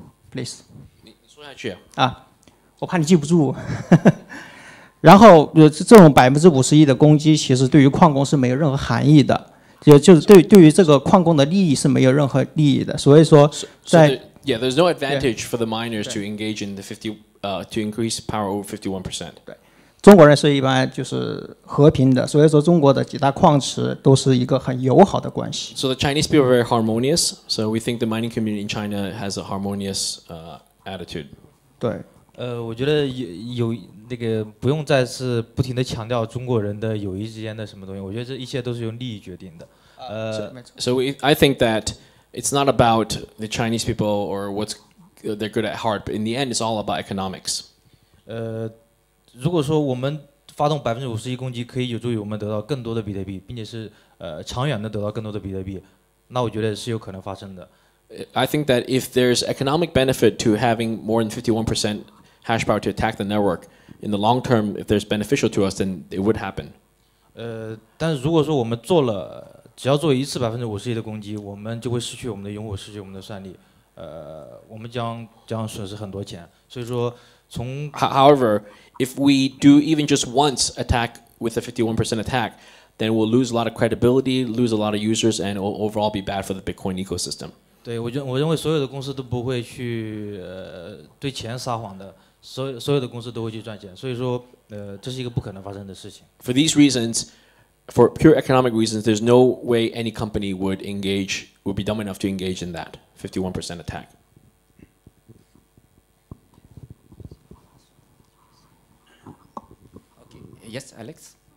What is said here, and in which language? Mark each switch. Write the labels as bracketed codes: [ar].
[en] Please， [zh] 你说下去啊，我怕你记不住。然后这种51%的攻击，其实对于矿工是没有任何含义的。就是对于这个矿工的利益是没有任何利益的，所以说在 [en] yeah, there's no advantage for the miners to engage in the 50, to increase power over 51%. [zh] 对，中国人是一般就是和平的，所以说中国的几大矿池都是一个很友好的关系。 [en] So the Chinese people are very harmonious. So we think the mining community in China has a harmonious attitude. [zh] 对，我觉得有那个不用再次不停的强调中国人的友谊之间的什么东西，我觉得这一切都是由利益决定的。 [en] I think that it's not about the Chinese people or what's they're good at heart, but in the end, it's all about economics. [zh] 如果说我们发动51%攻击可以有助于我们得到更多的比特币，并且是长远的得到更多的比特币，那我觉得是有可能发生的。 [en] I think that if there's economic benefit to having more than 51% hash power to attack the network, in the long term, if there's beneficial to us, then it would happen. [zh] 但如果说我们做了，只要做一次51%的攻击，我们就会失去我们的用户，失去我们的算力，我们将损失很多钱。所以说，从 [en] However, if we do even just once attack with a 51% attack, then we'll lose a lot of credibility, lose a lot of users, and it will overall be bad for the Bitcoin ecosystem. [zh] 对，我认为所有的公司都不会去对钱撒谎的，所有的公司都会去赚钱，所以说这是一个不可能发生的事情。 [en] For these reasons, for pure economic reasons, there's no way any company would be dumb enough to engage in that 51% attack. Okay. Yes, Alex.